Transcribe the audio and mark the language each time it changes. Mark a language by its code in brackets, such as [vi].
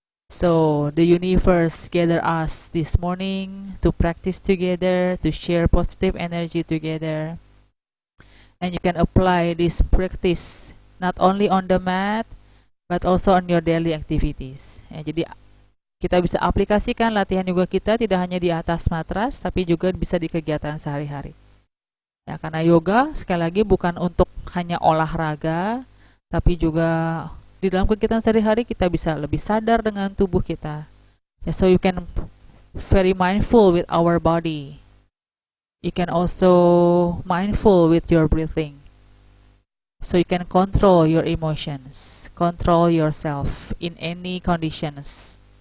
[en] So the universe gather us this morning to practice together, to share positive energy together. And you can apply this practice not only on the mat, but also on your daily activities. [id] Ya, jadi kita bisa aplikasikan latihan yoga kita tidak hanya di atas matras, tapi juga bisa di kegiatan sehari-hari. Ya, karena yoga sekali lagi bukan untuk hanya olahraga, tapi juga di dalam kegiatan sehari-hari kita bisa lebih sadar dengan tubuh kita. [en] Yeah, so you can very mindful with our body. You can also mindful with your breathing. So you can control your emotions, control yourself in any conditions.